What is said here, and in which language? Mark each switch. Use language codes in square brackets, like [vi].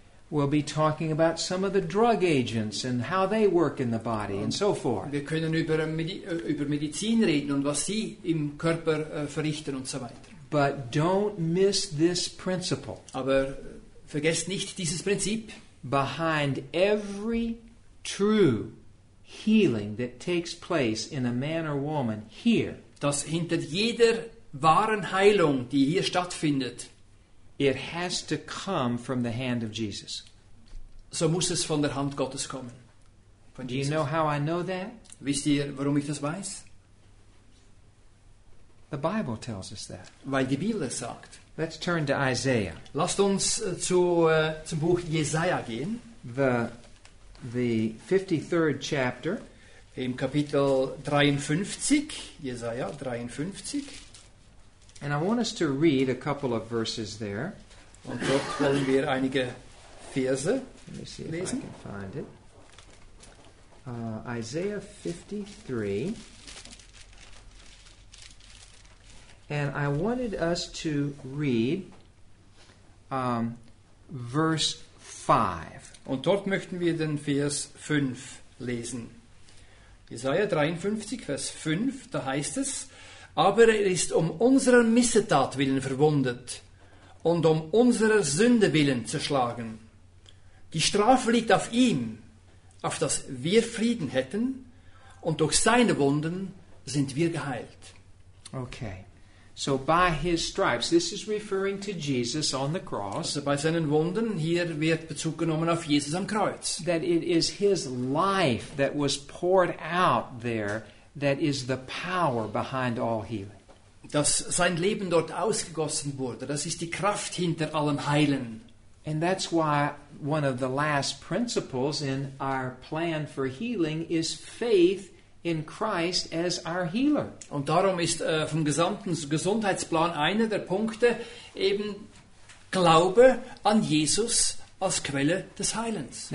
[en] We'll be talking about some of the drug agents and how they work in the body and so forth. [de] Wir können über Medizin reden und was sie im Körper verrichten und so weiter. [en] But don't miss this principle. [de] Aber vergesst nicht dieses Prinzip. [en] Behind every true healing that takes place in a man or woman here. [de] Dass hinter jeder wahren Heilung, die hier stattfindet, [en] it has to come from the hand of Jesus. [de] So muss es von der Hand Gottes kommen. [en] Do you know how I know that? [de] Wisst ihr, warum ich das weiß? [en] The Bible tells us that. [de] Weil die Bibel es sagt. [en] Let's turn to Isaiah. [de] Lasst uns zum Buch Jesaja gehen. [en] The 53rd chapter. [de] Im Kapitel 53, Jesaja 53. [en] And I want us to read a couple of verses there. [de] Und dort wollen wir einige Verse lesen. [en] Let me see if [de] lesen. [en] I can find it. Isaiah 53. And I wanted us to read verse 5. [de] Und dort möchten wir den Vers 5 lesen. Jesaja 53, Vers 5, da heißt es: Aber er ist um unserer Missetat willen verwundet und um unserer Sünde willen zerschlagen. Die Strafe liegt auf ihm, auf das wir Frieden hätten, und durch seine Wunden sind wir geheilt. [en] Okay. So by his stripes, this is referring to Jesus on the cross. [de] Also bei seinen Wunden, hier wird Bezug genommen auf Jesus am Kreuz. [en] That it is his life that was poured out there that is the power behind all healing. [de] Dass sein Leben dort ausgegossen wurde, das ist die Kraft hinter allem Heilen. [en] And that's why one of the last principles in our plan for healing is faith in Christ as our healer. [de] Und darum ist vom gesamten Gesundheitsplan einer der Punkte eben Glaube an Jesus als Quelle des Heilens.